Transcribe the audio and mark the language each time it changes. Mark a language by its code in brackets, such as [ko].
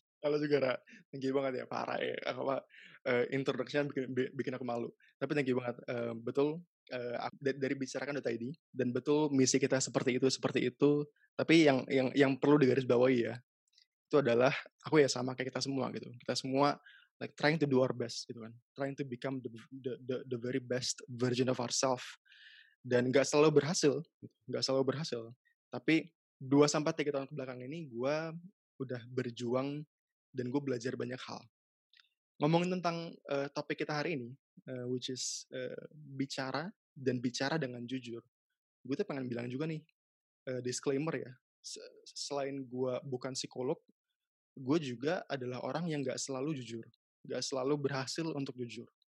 [id] Halo juga, Ra. Thank you banget ya, parah ya. Apa, introduction bikin aku malu. Tapi thank you banget. Betul, dari Bicarakan.id, dan betul misi kita seperti itu. Tapi yang perlu digarisbawahi ya, itu adalah aku ya sama kayak kita semua gitu. Kita semua [en] like trying to do our best gitu kan. Trying to become the very best version of ourselves. [id] Dan enggak selalu berhasil, enggak selalu berhasil. Tapi 2 sampai 3 tahun kebelakang ini gua udah berjuang dan gua belajar banyak hal. Ngomongin tentang topik kita hari ini which is bicara dan bicara dengan jujur. Gua tuh pengen bilang juga nih disclaimer ya. Selain gue bukan psikolog, gue juga adalah orang yang gak selalu jujur, gak selalu berhasil untuk jujur.